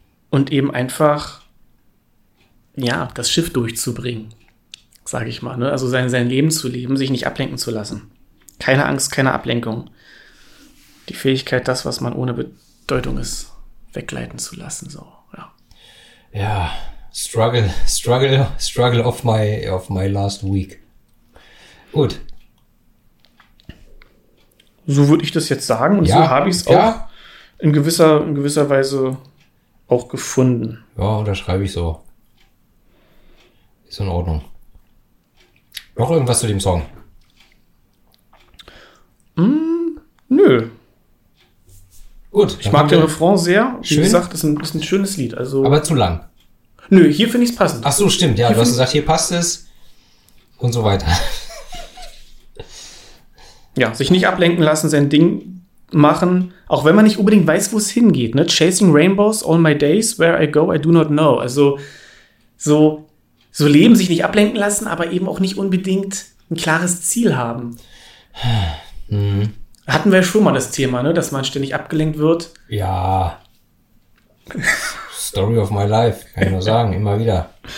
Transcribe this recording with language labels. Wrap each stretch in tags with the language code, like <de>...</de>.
<de>Und eben einfach, ja, das Schiff durchzubringen, sage ich mal. Ne? Also sein Leben zu leben, sich nicht ablenken zu lassen. Keine Angst, keine Ablenkung. Die Fähigkeit, das, was man ohne Bedeutung ist, weggleiten zu lassen. So, ja.</de> <en>Ja, struggle of my last week.</en> <de>Gut. So würde ich das jetzt sagen und ja, so habe ich es auch. Ja. In gewisser Weise auch gefunden. Ja, unterschreibe ich so. Ist in Ordnung. Noch irgendwas zu dem Song? Nö. Gut. Ich mag den Refrain sehr. Schön. Wie gesagt, ist ein schönes Lied. Also, aber zu lang. Nö, hier finde ich es passend. Ach so, stimmt. Ja, du hast gesagt, hier passt es. Und so weiter. Ja, sich nicht ablenken lassen, sein Ding machen, auch wenn man nicht unbedingt weiß, wo es hingeht. Ne?</de> <en>Chasing rainbows all my days, where I go, I do not know.</en> <de>Also so leben, sich nicht ablenken lassen, aber eben auch nicht unbedingt ein klares Ziel haben. Hm. Hatten wir ja schon mal das Thema, ne? Dass man ständig abgelenkt wird. Ja.</de> <en>Story of my life,</en> <de>kann ich nur sagen, immer wieder.</de>